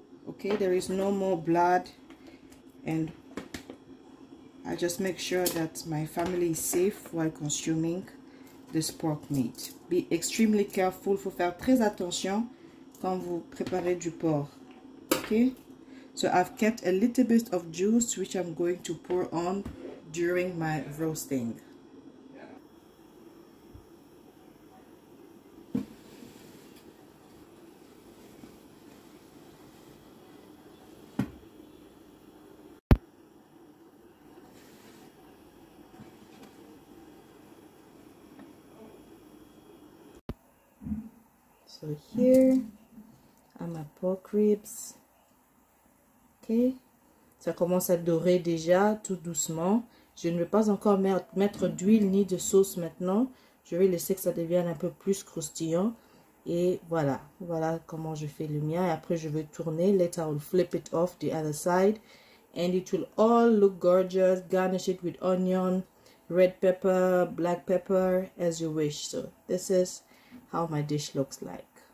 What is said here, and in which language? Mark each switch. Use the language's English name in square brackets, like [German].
[English] Okay, there is no more blood, and I just make sure that my family is safe while consuming this pork meat. Be extremely careful, [French] faut faire très attention quand vous préparez du porc. [English] Okay, so I've kept a little bit of juice which I'm going to pour on during my roasting. So here are my pork ribs. Okay. [French] Ça commence à dorer déjà tout doucement. Je ne vais pas encore mettre d'huile ni de sauce maintenant. Je vais laisser que ça devienne un peu plus croustillant. Et voilà. Voilà comment je fais le mien. Et après, je vais tourner. [English] Later, I will flip it off the other side. And it will all look gorgeous. Garnish it with onion, red pepper, black pepper, as you wish. So this is how my dish looks like.